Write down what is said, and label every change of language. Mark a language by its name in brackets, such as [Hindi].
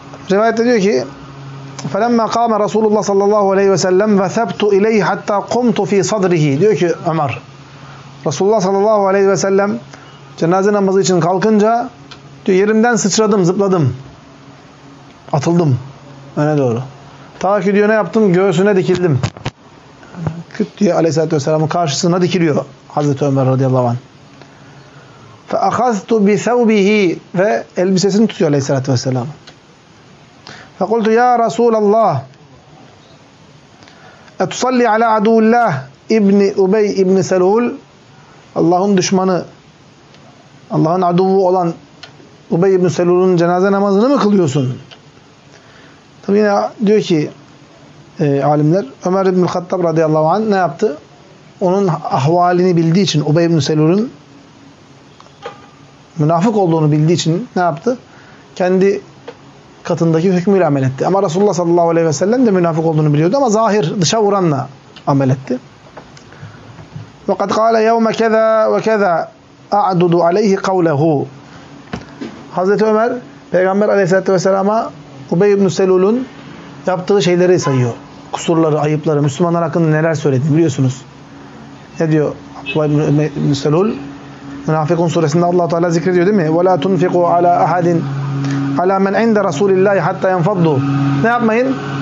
[Turkish] Rivayette diyor ki [Arabic] فَلَمَّا قَامَ رَسُولُ اللّٰهِ صَلَّى اللّٰهُ عَلَيْهِ وَسَلَّمْ وَثَبْتُ اِلَيْهِ حَتَّى قُمْتُ ف۪ي صَدْرِهِ. [Turkish] Diyor ki Ömer, Resulullah sallallahu aleyhi ve sellem cenaze namazı için kalkınca diyor, yerimden sıçradım, zıpladım. Atıldım öne doğru. Ta ki diyor ne yaptım? Göğsüne dikildim. Küt diye aleyhissalatü vesselamın karşısına dikiliyor Hazreti Ömer radıyallahu anh. [Arabic] فَأَخَذْتُ بِثَوْبِهِ. [Turkish] Ve elbisesini tutuyor aleyhissalatü vesselam. [Arabic] فَقُلْتُ يَا رَسُولَ اللّٰهِ اَتُصَلِّ عَلَى عَدُوُ اللّٰهِ اِبْنِ اُبَيْ اِبْنِ سَلُولِ. [Turkish] Allah'ın düşmanı, Allah'ın aduvu olan Ubey ibn-i Selul'un cenaze namazını mı kılıyorsun? Tabi yine diyor ki alimler, Ömer ibn-i Hattab radıyallahu anh ne yaptı? Onun ahvalini bildiği için, Ubey ibn-i Selul'un münafık olduğunu bildiği için ne yaptı? Kendi katındaki hükmüyle amel etti. Ama Resulullah sallallahu aleyhi ve sellem de münafık olduğunu biliyordu ama zahir, dışa vuranla amel etti. [Arabic] وقد قال يوم كذا وكذا أعدد عليه قوله. [Turkish] Hazreti Ömer Peygamber Aleyhisselatü Vesselam'a Ubey ibn-i Selul'un yaptığı şeyleri sayıyor. Kusurları, ayıpları, Müslümanlar hakkında neler söyledi biliyorsunuz. Ne diyor Ubey ibn-i Selul? Münafıkun suresinde Allah-u Teala zikrediyor değil mi? [Arabic] وَلَا تُنْفِقُوا عَلَى أَحَدٍ عَلَى مَنْ عِنْدَ رَسُولِ اللّٰهِ حَتَّى يَنْفَضُّ. [Turkish] Ne yapmayın?